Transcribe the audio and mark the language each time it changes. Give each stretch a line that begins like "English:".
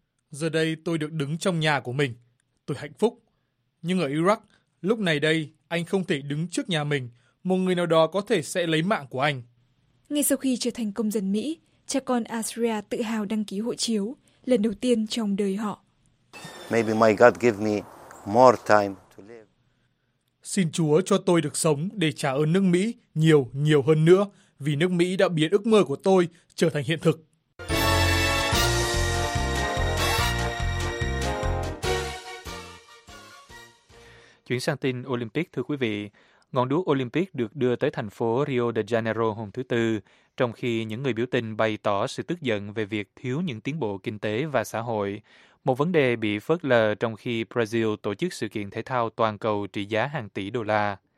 Vietnamese: Giờ đây tôi được đứng trong nhà của mình. Tôi hạnh phúc. Nhưng ở Iraq, lúc này đây, anh không thể đứng trước nhà mình. Một người nào đó có thể sẽ lấy mạng của anh. Ngay sau khi trở thành công dân Mỹ, cha con Astria tự hào đăng ký hộ chiếu, lần đầu tiên trong đời họ.
English: Maybe my God give me more time to live.
Vietnamese: Xin Chúa cho tôi được sống để trả ơn nước Mỹ nhiều, nhiều hơn nữa, vì nước Mỹ đã biến ước mơ của tôi trở thành hiện thực. Chuyển sang tin Olympic, thưa quý vị. Ngọn đuốc Olympic được đưa tới thành phố Rio de Janeiro hôm thứ Tư, trong khi những người biểu tình bày tỏ sự tức giận về việc thiếu những tiến bộ kinh tế và xã hội, một vấn đề bị phớt lờ trong khi Brazil tổ chức sự kiện thể thao toàn cầu trị giá hàng tỷ đô la.